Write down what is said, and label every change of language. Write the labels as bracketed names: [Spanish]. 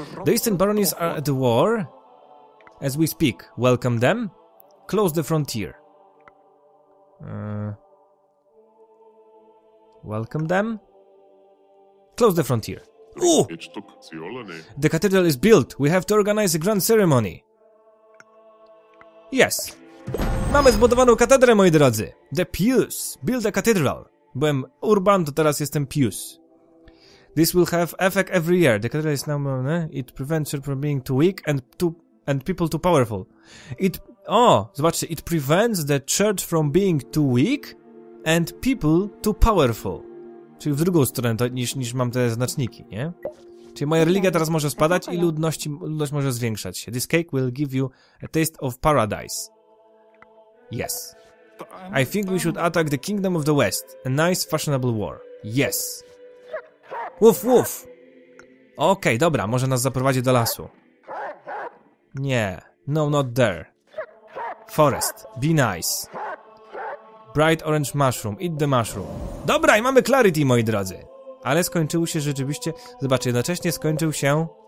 [English] The Eastern Baronies are at war. As we speak, welcome them. Close the frontier. Welcome them. Close the frontier. Ooh! The cathedral is built. We have to organize a grand ceremony. Yes. [Polish] Mamy zbudowaną katedrę, moi drodzy. [English] The pews. Build a cathedral. [Polish] Byłem urban, to teraz jestem pews. [English] This will have effect every year. The cathedral is now... It prevents her from being too weak and people too powerful. [Polish] Zobaczcie, [English] it prevents the church from being too weak and people too powerful. [Polish] Czyli w drugą stronę to niż mam te znaczniki, nie? Czyli moja religia teraz może spadać i ludność może zwiększać się. [English] This cake will give you a taste of paradise. Yes. I think we should attack the Kingdom of the West. A nice, fashionable war. Yes. Woof, woof. [Polish] Okej, dobra, może nas zaprowadzi do lasu. Nie. [English] No, not there. Forest, be nice. Bright orange mushroom, eat the mushroom. [Polish] Dobra, i mamy clarity, moi drodzy. Ale skończył się rzeczywiście... Zobacz, jednocześnie skończył się...